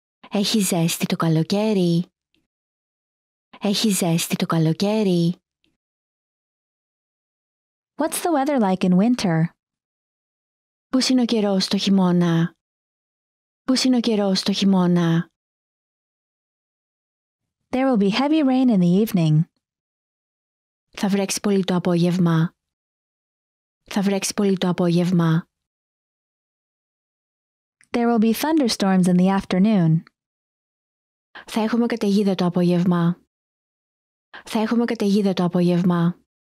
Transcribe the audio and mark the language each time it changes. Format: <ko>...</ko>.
<el>Έχει ζέστη το καλοκαίρι. Έχει ζέστη το καλοκαίρι.</el> <en>What's the weather like in winter?</en> <el>Πώς είναι ο καιρός το χειμώνα? Πώς είναι ο καιρός το χειμώνα?</el> <en>There will be heavy rain in the evening.</en> <el>Θα βρέξει πολύ το απόγευμα. Θα βρέξει πολύ το απόγευμα.</el> <en>There will be thunderstorms in the afternoon.</en> <el>Θα έχουμε καταιγίδα το απόγευμα. Θα έχουμε καταιγίδα το απόγευμα.</el>